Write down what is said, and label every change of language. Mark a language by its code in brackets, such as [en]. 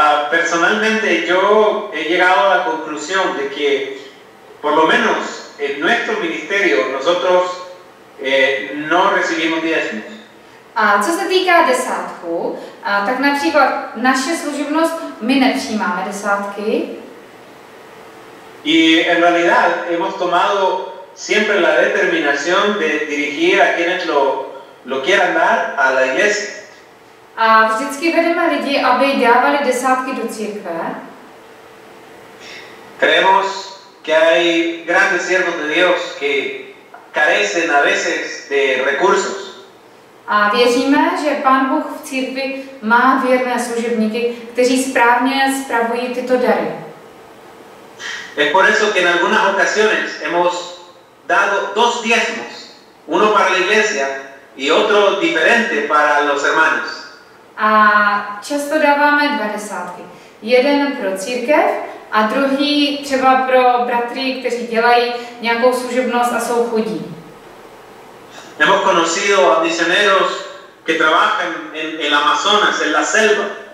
[es] Personalmente yo he llegado a la conclusión de que por lo menos en nuestro ministerio nosotros no recibimos diezmos. [cs] A co se týká desátku, tak například naše služebnost, my nepřijímáme desátky. [es] Y en realidad hemos tomado siempre la determinación de dirigir a quienes lo quieran dar a la iglesia. [cs] A vždycky vedeme lidi, aby dávali desátky do církve. [es] Creemos que hay grandes siervos de Dios que carecen a veces de recursos. [cs] A věříme, že Pán Bůh v církvi má věrné služebníky, kteří správně spravují tyto dary. [es] Es por eso que en algunas ocasiones hemos dado dos diezmos, uno para la iglesia y otro diferente para los hermanos. [cs] A často dáváme dva desátky. Jeden pro církev a druhý třeba pro bratry, kteří dělají nějakou služebnost a jsou chudí. [es] Hemos conocido a misioneros que trabajan en el Amazonas, en la selva.